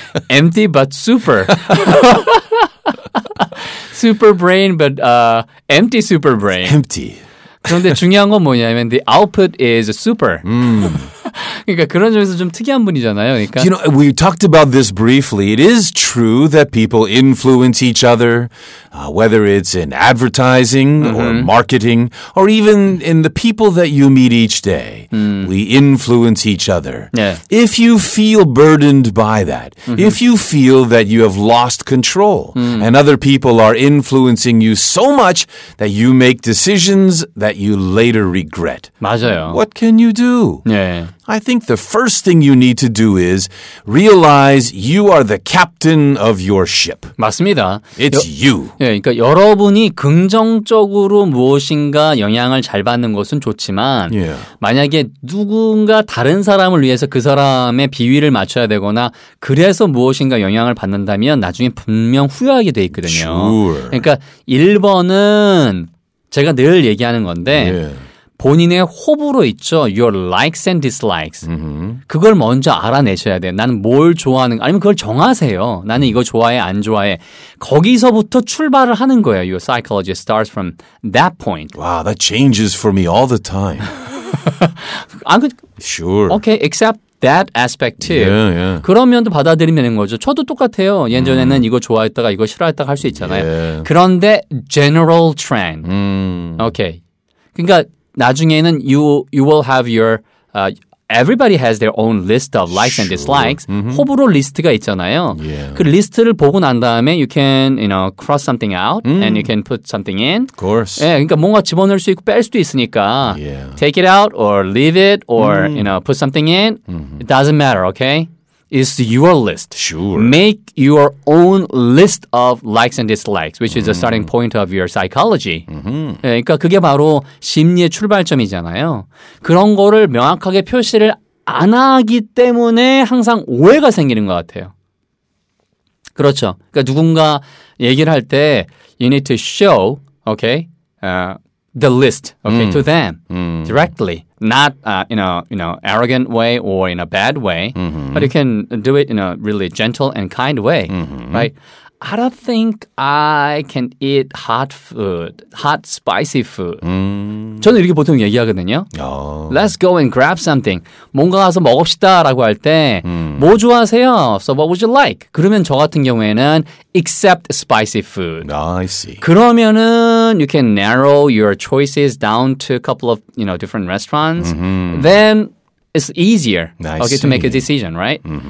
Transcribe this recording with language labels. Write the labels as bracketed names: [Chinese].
[English] Empty but super. Super brain but empty super brain. Empty. [Korean] 그런데 중요한 건 뭐냐면 [English] the output is super. Mm. [Korean] 그러니까 그런 점에서 좀 특이한 분이잖아요. 그러니까. [English] You know, we talked about this briefly. It is true that people influence each other, whether it's in advertising or marketing, or even in the people that you meet each day. We influence each other. Yeah. If you feel burdened by that, if you feel that you have lost control and other people are influencing you so much that you make decisions that you later regret, [Korean] 맞아요. [English] What can you do? Yeah. I think the first thing you need to do is realize you are the captain of your ship. [Korean] 맞습니다. [English] It's you. [Korean] 예, 그러니까 여러분이 긍정적으로 무엇인가 영향을 잘 받는 것은 좋지만 만약에 누군가 다른 사람을 위해서 그 사람의 비위를 맞춰야 되거나 그래서 무엇인가 영향을 받는다면 나중에 분명 후회하게 돼 있거든요. [English] Sure. [Korean] 그러니까 1번은 제가 늘 얘기하는 건데 본인의 호불호 있죠. [English] Your likes and dislikes. [Korean] 그걸 먼저 알아내셔야 돼요. 나는 뭘 좋아하는가. 아니면 그걸 정하세요. 나는 이거 좋아해, 안 좋아해. 거기서부터 출발을 하는 거예요. [English] Your psychology starts from that point. Wow, that changes for me all the time. Sure. Okay, except that aspect too. Yeah, yeah. [Korean] 그런 면도 받아들이면 되는 거죠. 저도 똑같아요. 예전에는 이거 좋아했다가 이거 싫어했다가 할 수 있잖아요. [English] Yeah. [Korean] 그런데 [English] general trend. Okay. [Korean] 그러니까 나중에는 [English] you will have your everybody has their own list of likes and dislikes. [Korean] 호불호 리스트가 있잖아요. [English] Yeah. [Korean] 그 리스트를 보고 난 다음에 [English] you can you know cross something out and you can put something in. Of course. [Korean] 예, 그러니까 뭔가 집어넣을 수 있고 뺄 수도 있으니까 [English] yeah. take it out or leave it or you know put something in. It doesn't matter, okay? It's your list. Sure. Make your own list of likes and dislikes, which is the starting point of your psychology. [Korean] 그러니까 그게 바로 심리의 출발점이잖아요. 그런 거를 명확하게 표시를 안 하기 때문에 항상 오해가 생기는 것 같아요. 그렇죠. 그러니까 누군가 얘기를 할 때 [English] you need to show, okay, the list, okay, to them directly. Not in a arrogant way or in a bad way, but you can do it in a really gentle and kind way, right? I don't think I can eat hot food, hot spicy food. [Korean] 저는 이렇게 보통 얘기하거든요. [English] Let's go and grab something. [Korean] 뭔가 가서 먹읍시다라고 할 때 뭐 좋아하세요? [English] So what would you like? [Korean] 그러면 저 같은 경우에는 [English] except spicy food. I see. [Korean] 그러면은 [English] you can narrow your choices down to a couple of, you know, different restaurants. Then it's easier to make a decision, right?